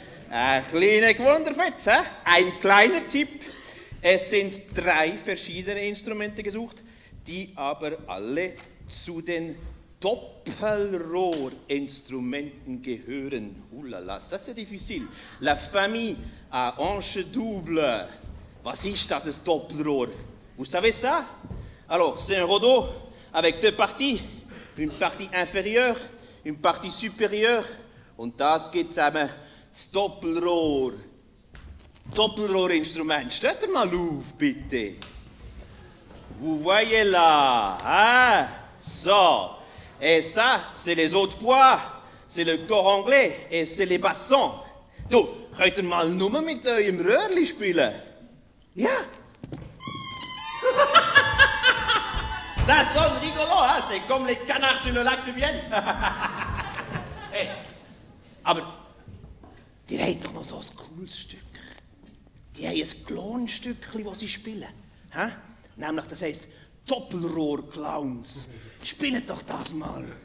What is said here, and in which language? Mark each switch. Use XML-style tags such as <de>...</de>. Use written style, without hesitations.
<de>Ein kleiner Gewunderfitz, hä? Ein kleiner Tipp. Es sind 3 verschiedene Instrumente gesucht, die aber alle zu den Doppelrohrinstrumenten gehören.</de> <fr>Oulala, ça c'est difficile. La famille à hanche double.</fr> <de>Was ist das, ein Doppelrohr?</de> <fr>Vous savez ça? Alors, c'est un rodeau avec 2 parties. Une partie inférieure, une partie supérieure.</fr> <de>Und das geht zusammen. Das Doppelrohr. Doppelrohrinstrument. Steht ihr mal auf, bitte. Vous voyez là, hein? So.</de> <fr>Et ça, c'est les autres poids. C'est le corps anglais. Et c'est les bassons.</fr> <de>Du, könnt ihr mal nur mit eurem Röhrli spielen? Ja?</de> <fr>Ça sonne rigolo, hein? C'est comme les canards sur le lac de Bienne.</fr> <de>Hey. Aber... Die haben doch noch so ein cooles Stück. Die haben ein Clownstück, das sie spielen. Ha? Nämlich, das heisst Doppelrohr-Clowns. Spielt doch das mal.</de>